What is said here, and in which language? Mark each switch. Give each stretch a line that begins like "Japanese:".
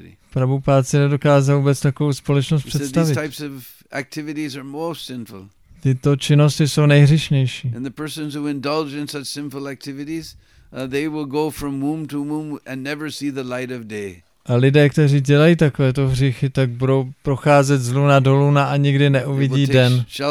Czech: Prabhupád si nedokázal vůbec takovou společnost představit.
English: These types of activities are most sinful.
Czech: Tyto činnosti jsou nejhříšnější.
English: And the persons who indulge in such sinful activities, they will go from womb to womb and never see the light of day.
Czech: A lidé, kteří dělají takovéto hříchy, tak budou procházet z luna do luna a nikdy neuvidí den.